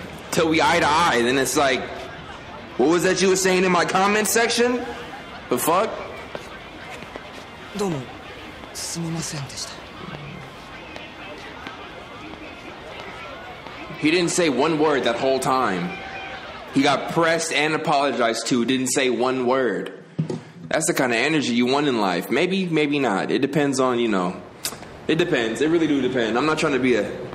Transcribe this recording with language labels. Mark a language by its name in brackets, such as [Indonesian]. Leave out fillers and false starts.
[English] Till we eye to eye, then it's like, what was that you were saying in my comment section? The fuck? [Japanese] どうもすみませんでした。 [English] He didn't say one word that whole time. He got pressed and apologized to, didn't say one word. That's the kind of energy you want in life. Maybe, maybe not. It depends on, you know. It depends. It really do depend. I'm not trying to be a...